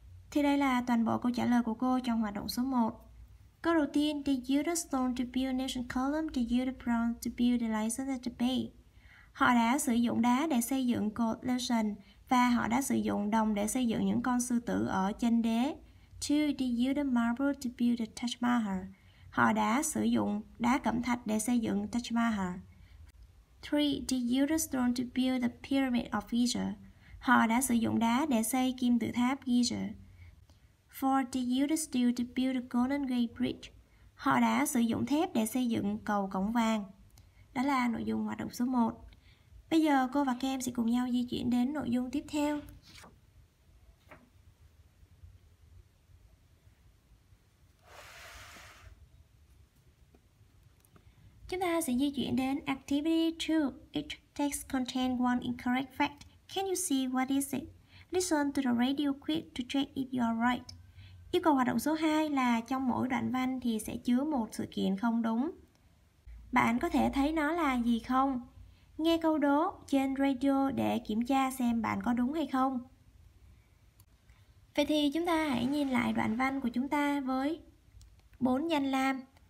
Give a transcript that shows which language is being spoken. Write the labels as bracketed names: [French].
[Vietnamese] Thì đây là toàn bộ câu trả lời của cô trong hoạt động số 1. Câu đầu tiên, [English] they used a stone to build National Column, they used a bronze to build the license at the bay. [Vietnamese] Họ đã sử dụng đá để xây dựng cột license và họ đã sử dụng đồng để xây dựng những con sư tử ở chân đế. 2. [English] They used a marble to build the Taj Mahal. [Vietnamese] Họ đã sử dụng đá cẩm thạch để xây dựng Taj Mahal. 3. [English] They used a stone to build the Pyramid of Giza. [Vietnamese] Họ đã sử dụng đá để xây kim tự tháp Giza. 4. [English] They used the steel to build the Golden Gate Bridge. [Vietnamese] Họ đã sử dụng thép để xây dựng cầu cổng vàng. Đó là nội dung hoạt động số 1. Bây giờ cô và các em sẽ cùng nhau di chuyển đến nội dung tiếp theo. Chúng ta sẽ di chuyển đến Activity 2. [English] Each text contains one incorrect fact. Can you see what is it? Listen to the radio quiz to check if you are right. [Vietnamese] Yêu cầu hoạt động số 2 là trong mỗi đoạn văn thì sẽ chứa một sự kiện không đúng. Bạn có thể thấy nó là gì không? Nghe câu đố trên radio để kiểm tra xem bạn có đúng hay không. Vậy thì chúng ta hãy nhìn lại đoạn văn của chúng ta với 4 danh lam.